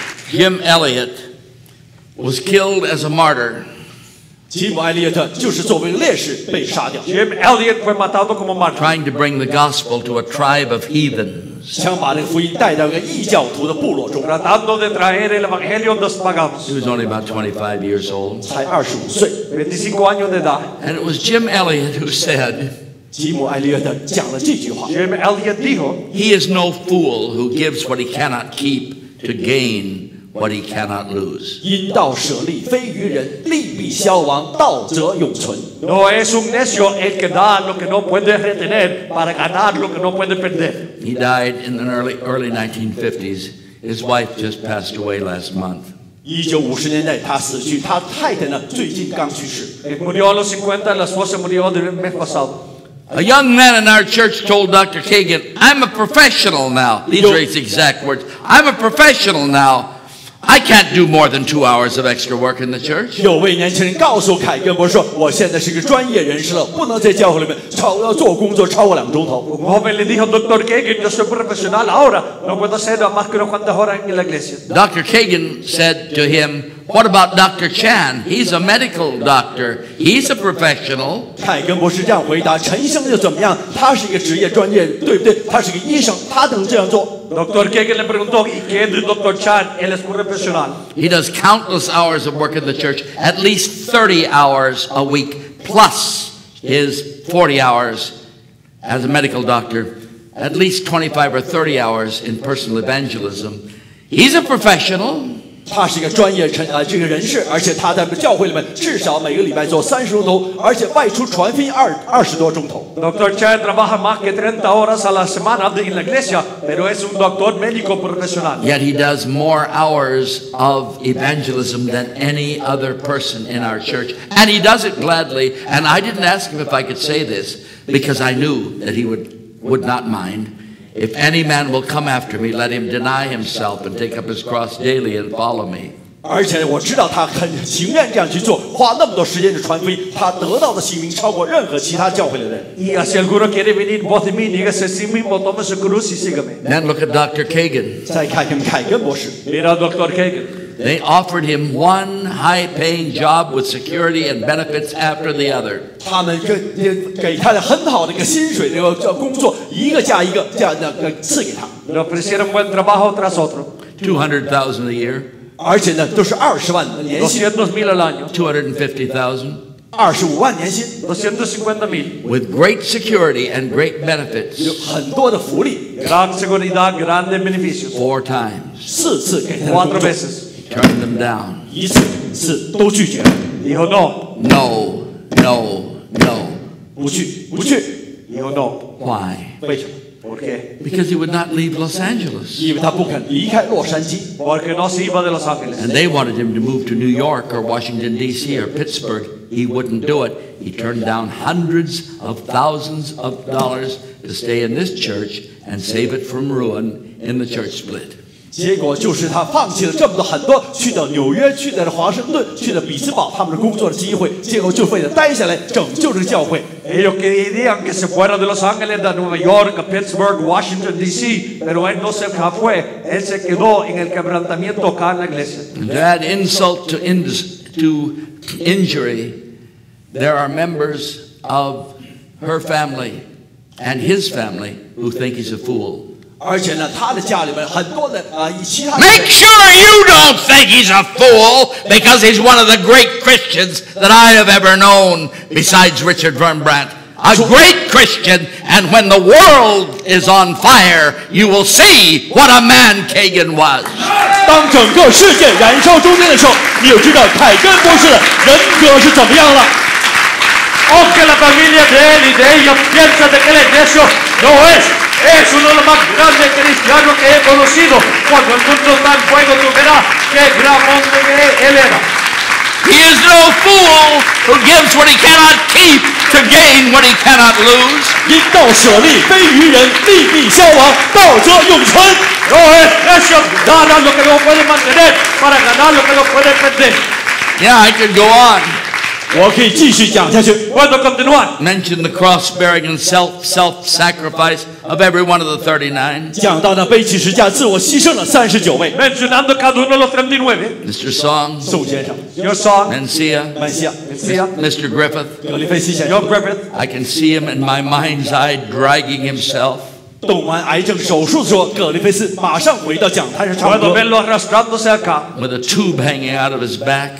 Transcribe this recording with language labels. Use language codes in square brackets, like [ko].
[en] Jim Elliot was killed as a martyr. [es] Jim Elliot fue matado como martyr. [en] Trying to bring the gospel to a tribe of heathens. [es] Tratando de traer el evangelio de los paganos. [en] He was only about 25 years old. [es] 25 años de edad. [en] And it was Jim Elliot who said, [es] Jim Elliot dijo, [en] he is no fool who gives what he cannot keep to gain what he cannot lose. [zh] 因道舍利，非于人，利必消亡，道则永存。 [es] No es un necio el que da lo que no puede retener para ganar lo que no puede perder. [en] He died in the early 1950s. His wife just passed away last month. [zh] 1950年代他死去，他太太呢最近刚去世。 [es] Murió a los 50, la esposa murió el mes pasado. [en] A young man in our church told Dr. Kagan, "I'm a professional now." These are his exact words. "I'm a professional now." I can't do more than 2 hours of extra work in the church. [zh] 有位年轻人告诉凯根博士，我现在是个专业人士了，不能在教会里面做工作超过两个钟头。 [es] Un joven le dijo al doctor Kagan, "Yo soy profesional ahora, no puedo hacer más que unas cuantas horas en la iglesia." [en] Dr. Kagan said to him, "What about Dr. Chan? He's a medical doctor. He's a professional." [zh] 凯根博士这样回答，陈医生又怎么样？他是一个职业专业，对不对？他是个医生，他能这样做。 [es] Doctor Kagan le preguntó, ¿y qué es el Dr. Chan? Él es profesional. [en] He does countless hours of work in the church, at least 30 hours a week, plus his 40 hours as a medical doctor, at least 25 or 30 hours in personal evangelism. He's a professional. [zh] 他是一个专业成这个人士，而且他在教会里面至少每个礼拜做三十钟头，而且外出传福音二十多钟头。 [es] Doctor Chan trabaja más que 30 horas a la semana en la iglesia, pero es un doctor médico profesional. [en] Yet he does more hours of evangelism than any other person in our church, and he does it gladly. And I didn't ask him if I could say this because I knew that he would not mind. If any man will come after me, let him deny himself and take up his cross daily and follow me. [zh] 而且我知道他很情愿这样去做，花那么多时间去传福音，他得到的信心超过任何其他教会的人。 [es] Y si alguno quiere venir por mí, dígase sí mismo, tome su cruz y sígame. [en] Then look at Dr. Kagan. [zh] 再看看凯根博士。 [es] Mira, Dr. Kagan. [en] They offered him one high-paying job with security and benefits after the other. [zh] 他们给他很好的一个薪水，那个工作一个加一个这样的赐给他。 [es] Le ofrecieron buen trabajo tras otro. [en] $200,000 a year. [zh] 而且呢，都是200,000年薪。 [es] 200,000 al año. [en] $250,000. [zh] 250,000年薪。 [es] 250,000. [en] With great security and great benefits. [zh] 有很多的福利。 [es] Gran seguridad, grandes beneficios. [en] Four times. [zh] 四次给他。 [es] Cuatro veces. [en] Turn them down. [zh] 一次次都拒绝。以后 [es] no. No, no, no. [zh] 不去，不去。以后 [es] no. [en] Why? [zh] 为什么 [es] ？Por qué? [en] Because he would not leave Los Angeles. [zh] 因为他不肯离开洛杉矶。 [es] Porque no se iba de Los Ángeles. [en] And they wanted him to move to New York or Washington D.C. or Pittsburgh. He wouldn't do it. He turned down hundreds of thousands of dollars to stay in this church and save it from ruin in the church split. [zh] 结果就是他放弃了这么多很多去到纽约去的华盛顿去的比兹堡他们的工作的机会结果就为了待下来拯救这个教会 [es] Ellos querían que se fuera de Los Ángeles de Nueva York a Pittsburgh, Washington, D.C. pero él no se fue él se quedó en el quebrantamiento acá en la iglesia [en] To add insult to injury there are members of her family and his family who think he's a fool Make sure you don't think he's a fool because he's one of the great Christians that I have ever known besides Richard Wurmbrand. A great Christian, and when the world is on fire, you will see what a man Kagan was. [zh] 当整个世界燃烧中间的时候，你就知道凯根博士的人格是怎么样了。 [es] Aunque la familia de él y de ellos piensa de que él es necio, no es. Es uno de los más grandes cristianos que he conocido. Cuando el mundo está en fuego, tú verás qué gran hombre que él era. [en] He is no fool who gives what he cannot keep to gain what he cannot lose. [zh] 因道舍利，非于人，利必消亡，道则永存。 [es] No es necio dar lo que no puede mantener para ganar lo que no puede perder. [en] Yeah, I could go on. [zh] 我可以继续讲下去。 [es] Puedo continuar. [en] Mention the crossbearing and self-sacrifice of every one of the 39. [zh] 讲到那背起十字架自我牺牲的三十九位。 [es] Mencionando cada uno de los 39. [en] Mr. Song. [zh] 宋先生。 [en] Your Song. Mencia. Mencia. Mencia. Mr. Griffith. [zh] 格里菲斯先生。 [en] Your Griffith. I can see him in my mind's eye dragging himself. [zh] 动完癌症手术之后，格里菲斯马上回到讲台上唱歌。 [en] With a tube hanging out of his back，